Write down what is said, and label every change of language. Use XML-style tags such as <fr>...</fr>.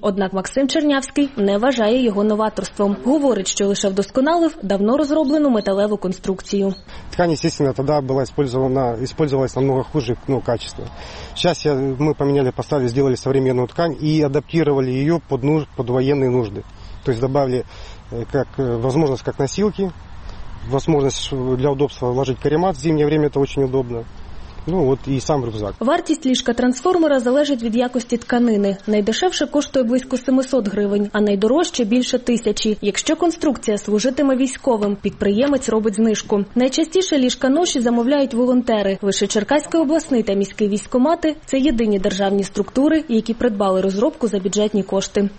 <uk>Однак Максим Чернявський не вважає його новаторством. Говорить, що лише вдосконалив давно розроблену металеву конструкцію. Ткань, звісно, тоді була використовувалася намного хуже, ну, качество. Зараз ми поміняли поставки, зробили сучасну ткань і адаптували її під воєнні нужди.</uk> <ru>То есть добавили как возможность как носилки, возможность для удобства вложить каремат. В зимнее время это очень удобно.</ru> <uk>Ну, от і сам рюкзак. Вартість ліжка трансформера залежить від якості тканини. Найдешевше коштує близько 700 гривень, а найдорожче – більше тисячі. Якщо конструкція служитиме військовим, підприємець робить знижку. Найчастіше ліжка-ноші замовляють волонтери. Лише Черкаський обласний та міський військомати – це єдині державні структури, які придбали розробку за бюджетні кошти.</uk>